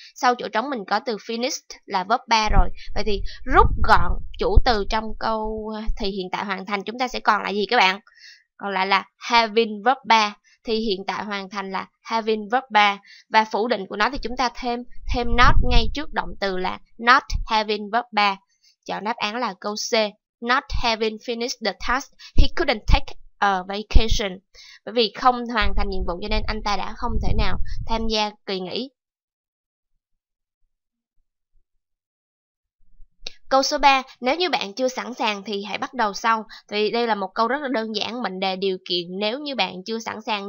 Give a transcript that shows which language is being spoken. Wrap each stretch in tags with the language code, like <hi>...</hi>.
<vi>Sau chỗ trống mình có từ finished là verb 3 rồi. Vậy thì rút gọn chủ từ trong câu thì hiện tại hoàn thành chúng ta sẽ còn lại gì các bạn? Còn lại là having verb 3. Thì hiện tại hoàn thành là having verb 3. Và phủ định của nó thì chúng ta thêm not ngay trước động từ là not having verb 3. Chọn đáp án là câu C.</vi> <en>Not having finished the task, he couldn't take a vacation.</en> <vi>Bởi vì không hoàn thành nhiệm vụ cho nên anh ta đã không thể nào tham gia kỳ nghỉ. Câu số 3, nếu như bạn chưa sẵn sàng thì hãy bắt đầu sau. Thì đây là một câu rất là đơn giản, mệnh đề điều kiện nếu như bạn chưa sẵn sàng.</vi>